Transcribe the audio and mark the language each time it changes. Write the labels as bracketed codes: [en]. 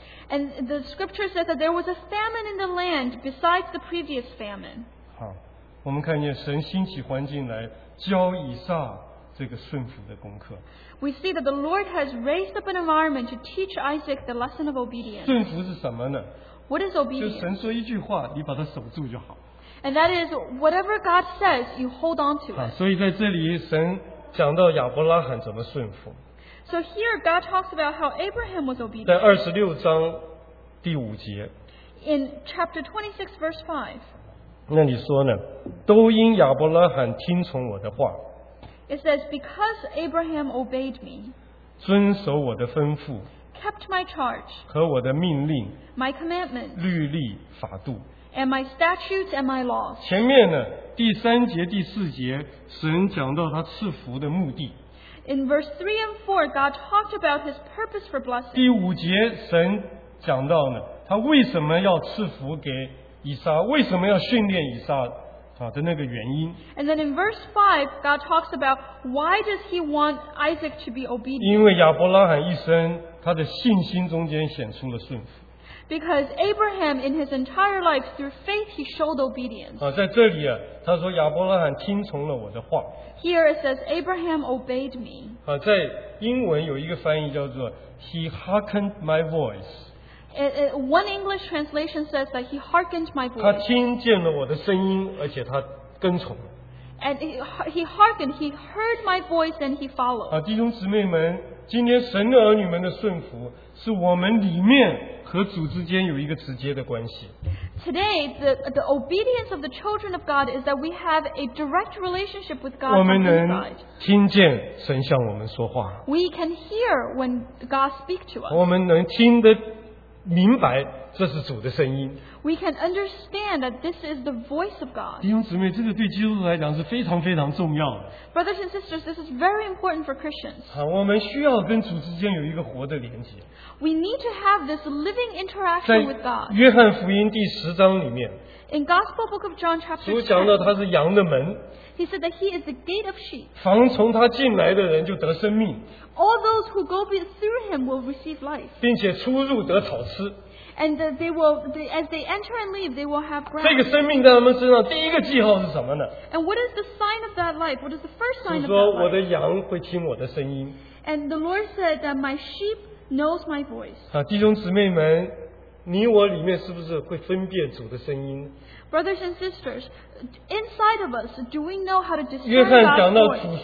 [en] and the scripture says that there was a famine in the land besides the previous famine. [zh] 好，我们看见神兴起环境来教以撒这个顺服的功课。 [en] We see that the Lord has raised up an environment to teach Isaac the lesson of obedience. [zh] 顺服是什么呢？ [en] What is obedience? [zh] 就神说一句话，你把它守住就好。 [en] And that is whatever God says, you hold on to it. [zh] 好，所以在这里神讲到亚伯拉罕怎么顺服。 [en] So here God talks about how Abraham was obedient. [zh] 在26章第5节, [en] in chapter 26 verse 5. [zh] 那你说呢, 都因亚伯拉罕听从我的话, [en] it says, because Abraham obeyed me, [zh] 遵守我的吩咐, [en] kept my charge, [zh] 和我的命令, [en] my commandments, [zh] 律例法度, [en] and my statutes and my laws. [zh] 前面呢, 第3节第4节, 神讲到他赐福的目的。 [en] In verse 3 and 4, God talked about his purpose for blessing. [zh] 第5节神讲到呢, 他为什么要赐福给以撒, 为什么要训练以撒, 啊, 的那个原因。 [en] And then in verse 5, God talks about why does he want Isaac to be obedient. [zh] 因为亚伯拉罕一生, 他的信心中间显出了顺服。 [en] Because Abraham in his entire life through faith he showed obedience. [zh] 啊, 在这里啊, 他说亚伯拉罕听从了我的话。 [en] Here it says Abraham obeyed me. [zh] 啊, 在英文有一个翻译叫做 [en] he hearkened my voice. One English translation says that he hearkened my voice. [zh] 他听见了我的声音，而且他跟从了。 [en] And he hearkened, he heard my voice and he followed. [zh] 啊, 弟兄姊妹们, 今天神的儿女们的顺服是我们里面 和主之间有一个直接的关系。 [en] Today, the obedience of the children of God is that we have a direct relationship with God. [zh] 我们能听见神向我们说话。 [en] We can hear when God speaks to us. [zh] 我们能听得明白这是主的声音。 [en] We can understand that this is the voice of God. [zh] 弟兄姊妹, 这个对基督徒来讲是非常非常重要的。 [en] Brothers and sisters, this is very important for Christians. [zh] 啊, 我们需要跟主之间有一个活的连接。 [en] We need to have this living interaction with God. [zh] 在约翰福音第10章里面, [en] In Gospel Book of John chapter [zh] 10, 主讲到他是羊的门, [en] he said that he is the gate of sheep. [zh] 凡从他进来的人就得生命, [en] all those who go through him will receive life. [zh] 并且出入得草吃, [en] and they will, as they enter and leave, they will have grass. [zh] 这个生命在他们身上第一个记号是什么呢? [en] And what is the sign of that life? What is the first sign [zh] 是说, [en] of that life? [zh] 我的羊会听我的声音, [en] and the Lord said that my sheep knows my voice. [zh] 弟兄姊妹们, 你我里面是不是会分辨主的声音? [en] Brothers and sisters, inside of us, do we know how to discern God's voice?